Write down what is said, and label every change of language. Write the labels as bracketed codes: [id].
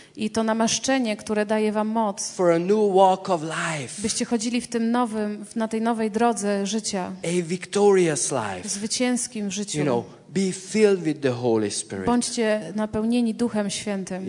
[pl] I to namaszczenie, które daje wam moc. [en] For a new walk of life. [pl] Byście chodzili w tym nowym, na tej nowej drodze życia. [en] A victorious life. [pl] Zwycięskim życiu. [en] You know, be filled with the Holy Spirit. [pl] Bądźcie napełnieni Duchem Świętym.